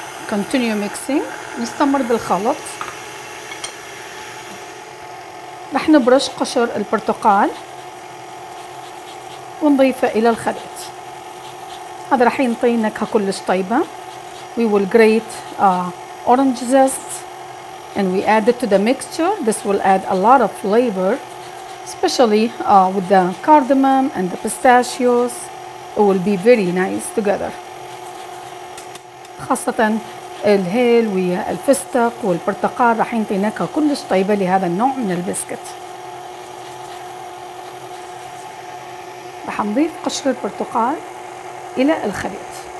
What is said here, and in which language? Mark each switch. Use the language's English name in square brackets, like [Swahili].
[English] Continue mixing. [Arabic] نستمر بالخلط. رح نبرش قشر البرتقال ونضيفه إلى الخليط. هذا رح ينطي نكهة كلش طيبة. [English] We will grate orange zest and we add it to the mixture. This will add a lot of flavor, especially with the cardamom and the pistachios. It will be very nice together. [Arabic] خاصة الهيل ويا الفستق والبرتقال راح ينطي نكهة كلش طيبة لهذا النوع من البسكت. راح نضيف قشر البرتقال إلى الخليط.